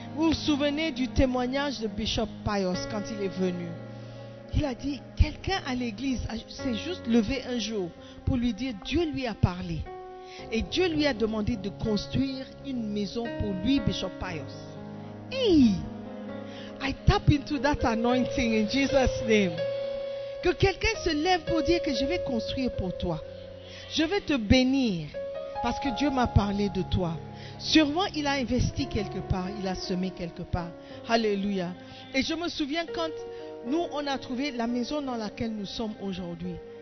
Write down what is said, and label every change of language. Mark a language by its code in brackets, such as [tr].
[fr] Vous vous souvenez du témoignage de Bishop Pius quand il est venu. Il a dit, quelqu'un à l'église s'est juste levé un jour pour lui dire, Dieu lui a parlé. Et Dieu lui a demandé de construire une maison pour lui, Bishop Pius. Hey! [en] I tap into that anointing in Jesus' name. [fr] Que quelqu'un se lève pour dire que je vais construire pour toi. Je vais te bénir parce que Dieu m'a parlé de toi. Sûrement, il a investi quelque part, il a semé quelque part. Alléluia. Et je me souviens quand nous, on a trouvé la maison dans laquelle nous sommes aujourd'hui.